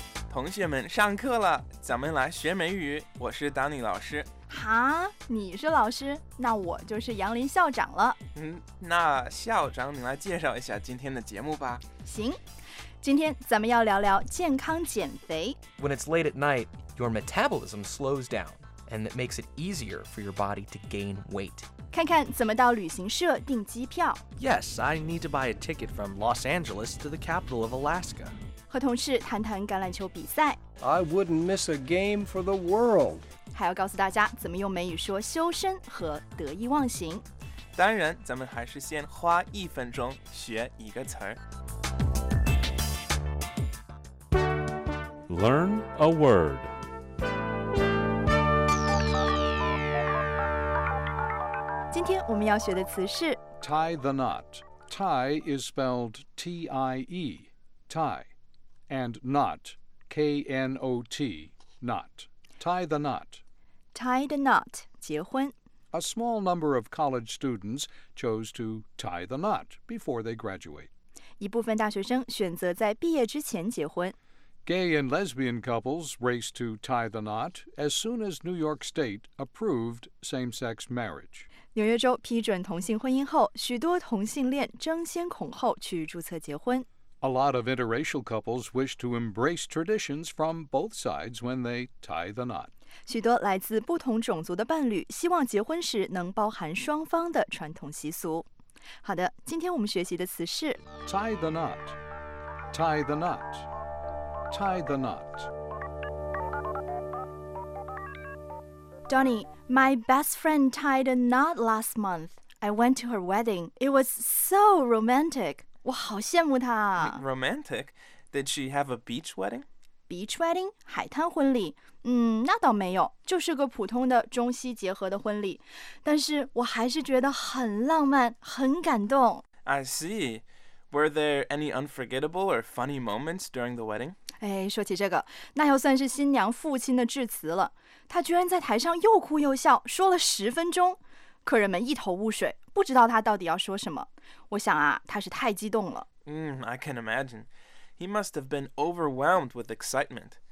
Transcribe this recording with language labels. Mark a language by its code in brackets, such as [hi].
[zh] 同学们上课了，咱们来学美语。我是丹尼老师。哈，你是老师，那我就是杨林校长了。那校长你来介绍一下今天的节目吧。行，今天咱们要聊聊健康减肥。 [en] When it's late at night, your metabolism slows down, and it makes it easier for your body to gain weight. [zh] 看看怎么到旅行社订机票。 [en] Yes, I need to buy a ticket from Los Angeles to the capital of Alaska. [zh] 和同事谈谈橄榄球比赛。 [en] I wouldn't miss a game for the world. [zh] 还要告诉大家怎么用美语说修身和得意忘形。当然，咱们还是先花一分钟学一个词儿。 [en] Learn a word. [zh] 今天我们要学的词是 [en] tie the knot. Tie is spelled T-I-E, tie, and knot, K-N-O-T, knot. Tie the knot. Tie the knot, [zh] 结婚 [en] A small number of college students chose to tie the knot before they graduate. [zh] 一部分大学生选择在毕业之前结婚 [en] Gay and lesbian couples raced to tie the knot as soon as New York State approved same-sex marriage. [zh] 纽约州批准同性婚姻后，许多同性恋争先恐后去注册结婚。 [en] A lot of interracial couples wish to embrace traditions from both sides when they tie the knot. [zh] 许多来自不同种族的伴侣希望结婚时能包含双方的传统习俗。好的，今天我们学习的词是 [en] tie the knot, tie the knot, tie the knot. Donnie, my best friend tied a knot last month. I went to her wedding. It was so romantic. [zh] 我好羡慕她。 [en] Romantic? Did she have a beach wedding? Beach wedding? [zh] 海滩婚礼？那倒没有，就是个普通的中西结合的婚礼。但是我还是觉得很浪漫，很感动。 [en] I see. Were there any unforgettable or funny moments during the wedding? [zh] 哎，说起这个，那要算是新娘父亲的致辞了。他居然在台上又哭又笑，说了十分钟，客人们一头雾水，不知道他到底要说什么。我想啊，他是太激动了。 [en] I can imagine. He must have been overwhelmed with excitement.